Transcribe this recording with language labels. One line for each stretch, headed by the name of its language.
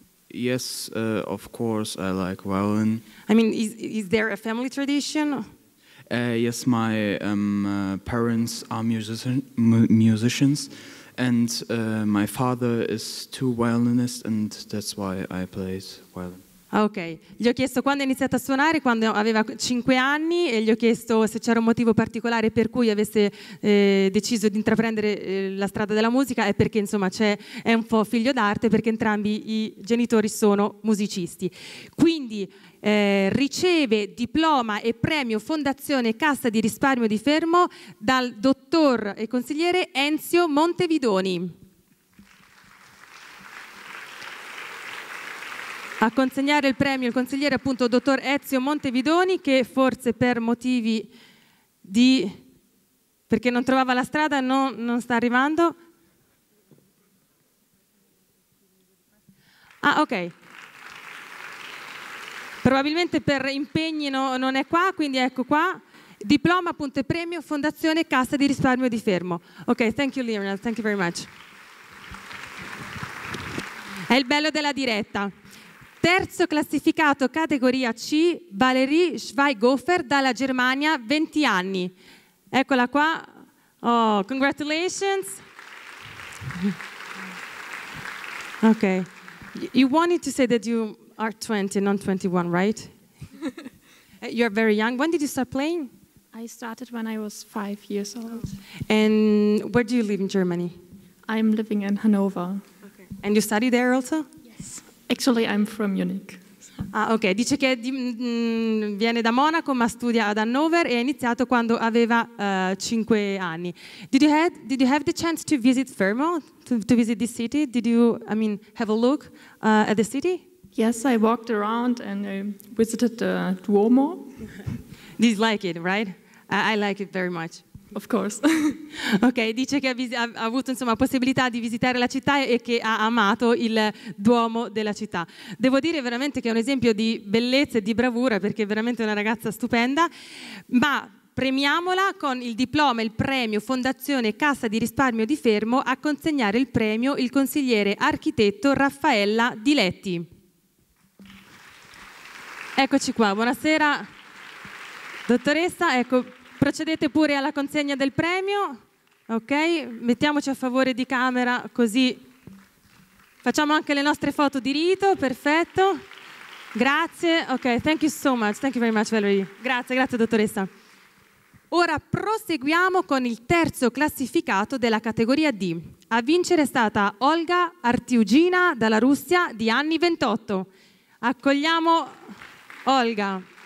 English: Yes, of course I like violin. I mean, is there a family tradition? Yes, my parents are musicians. And my father is two violinists, and that's why I play violin. Okay.
Italian: Gli ho chiesto quando ha iniziato a suonare, quando aveva 5 anni, e gli ho chiesto se c'era un motivo particolare per cui avesse deciso di intraprendere la strada della musica, è perché insomma è un po' figlio d'arte, perché entrambi i genitori sono musicisti. Quindi riceve diploma e premio Fondazione Cassa di Risparmio di Fermo dal dottor e consigliere Enzio Montevidoni. A consegnare il premio il consigliere appunto dottor Ezio Montevidoni, che forse per motivi di... perché non trovava la strada, non sta arrivando. Ah, ok. Probabilmente per impegni non è qua, quindi ecco qua. Diploma appunto e premio Fondazione Cassa di Risparmio di Fermo.
English: Ok, thank you Leonard, thank you very much.
Italian: È il bello della diretta. Terzo classificato categoria C, Valerie Schweighofer dalla Germania, 20 anni. Eccola qua.
English: Oh, congratulations. Ok. You wanted to say that you are 20, not 21, right? You're very young. When did you start playing? I started when I was 5 years old. And where do you live in Germany? I'm living in Hannover. Okay. And you study there also? Actually, I'm from Munich. Ah, ok.
Italian: Dice che viene da Monaco, ma studia ad Hannover e ha iniziato quando aveva 5 anni.
English: Did you have the chance to visit Fermo, to visit this city? Have a look at the city? Yes, I walked around and I visited the Duomo. Did you like it, right? I like it very much. Of course.
Italian: Ok, dice che ha avuto insomma possibilità di visitare la città e che ha amato il Duomo della città. Devo dire veramente che è un esempio di bellezza e di bravura, perché è veramente una ragazza stupenda. Ma premiamola con il diploma e il premio Fondazione Cassa di Risparmio di Fermo. A consegnare il premio il consigliere architetto Raffaella Diletti. Eccoci qua, buonasera dottoressa, ecco. Procedete pure alla consegna del premio, ok? Mettiamoci a favore di camera, così facciamo anche le nostre foto di rito, perfetto.
English: Grazie, ok, thank you so much, thank you very much Valerie.
Italian: Grazie, grazie dottoressa. Ora proseguiamo con il terzo classificato della categoria D. A vincere è stata Olga Artiugina dalla Russia, di anni 28. Accogliamo Olga.